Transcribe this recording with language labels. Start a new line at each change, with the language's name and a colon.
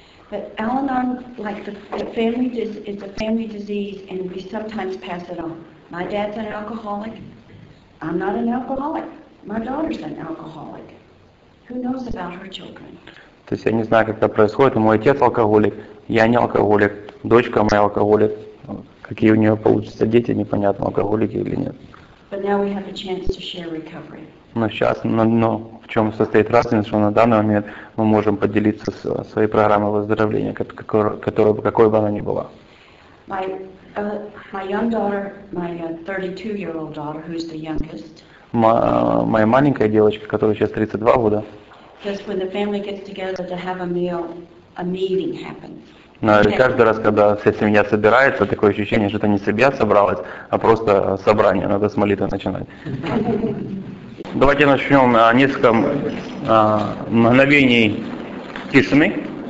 English: But Al-Anon, like the family, it's a family disease, and we sometimes pass it on. My dad's an alcoholic, I'm not an alcoholic, my daughter's an alcoholic. Who knows about her children?
Russian: То есть я не знаю, как это происходит, но мой отец алкоголик, я не алкоголик. Дочка моя алкоголик. Какие у нее получатся дети, непонятно, алкоголики или нет.
English: But now we have a chance to share recovery.
Russian: Но сейчас, но в чем состоит разница, что на данный момент мы можем поделиться с своей программой выздоровления, какой бы она ни была.
English: My young daughter, my 32-year-old daughter, who's the youngest.
Russian: Моя маленькая девочка, которой сейчас 32 года.
English: Just when the family gets together to have a meal, a meeting happens.
Russian: Но каждый раз, когда вся семья собирается, такое ощущение, что это не семья собралась, а просто собрание. Надо с молитвы начинать. Давайте начнем несколько мгновений тишины.